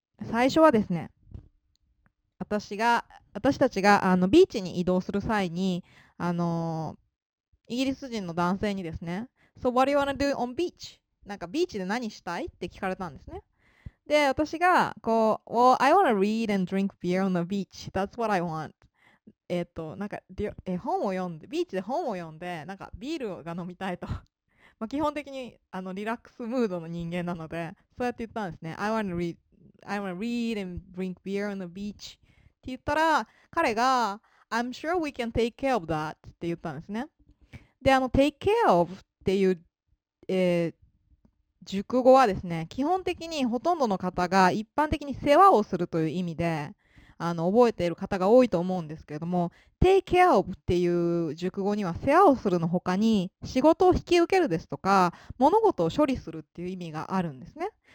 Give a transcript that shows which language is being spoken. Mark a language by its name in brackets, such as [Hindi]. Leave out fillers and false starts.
[Japanese] 最初はですね、私たちがビーチに移動する際に、イギリス人の男性にですね、 [English] So what do you want to do on beach? [Japanese] なんかビーチで何したい？って聞かれたんですね。で、私がこう、 [English] Well, I want to read and drink beer on the beach. That's what I want. [Japanese] なんか、本を読んで、ビーチで本を読んで、なんかビールが飲みたいと。基本的にリラックスムードの人間なので、そうやって言ったんですね。 [English] I wanna read and drink beer on the beach [Japanese] って言ったら、彼が [English] I'm sure we can take care of that [Japanese] って言ったんですね。で、take care of っていう、熟語はですね、基本的にほとんどの方が一般的に世話をするという意味で、覚えている方が多いと思うんですけれども、Take care of っていう熟語には世話をするの他に仕事を引き受けるですとか物事を処理するっていう意味があるんですね。